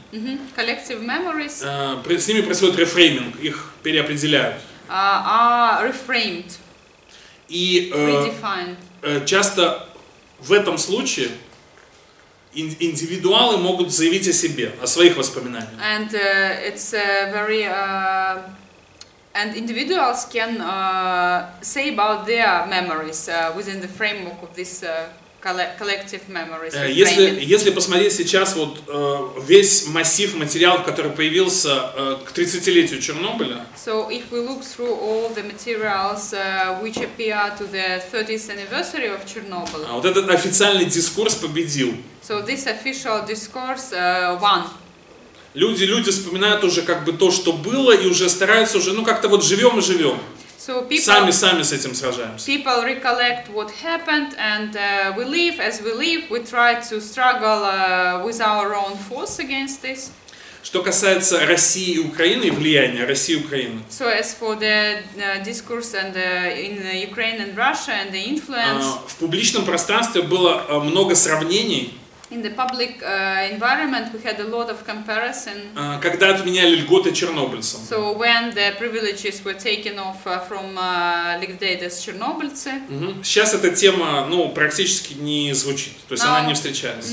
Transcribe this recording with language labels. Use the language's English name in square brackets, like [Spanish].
[English] Mm-hmm. Collective memories. [Russian] С ними происходит рефрейминг, их переопределяют. [English] Are reframed. [Russian] И [English] redefined. [Russian] Часто в этом случае индивидуалы могут заявить о себе, о своих воспоминаниях. [English] And it's a very And individuals can say about their memories within the framework of this collective memories. [Russian] Если посмотреть сейчас вот весь массив материалов, который появился к 30-летию Чернобыля. [English] So if we look through all the materials which appear to the 30th anniversary of Chernobyl. [Russian] Вот этот официальный дискурс победил. [English] So this official discourse won. [Russian] Люди вспоминают уже как бы то, что было, и уже стараются уже, ну как-то вот живем. Сами с этим сражаемся. [English] People recollect what happened, and we live as we live. We try to struggle with our own force against this. [Russian] Что касается России и Украины и влияния России и Украины. [English] So as for the discourse and in Ukraine and Russia and the influence. [Russian] В публичном пространстве было много сравнений. [English] In the public environment, we had a lot of comparison. [Russian] Когда отменяли льготы чернобыльцам. [English] So when the privileges were taken off from liquidated [Russian] чернобыльцы. Сейчас эта тема, практически не звучит, то есть она не встречается.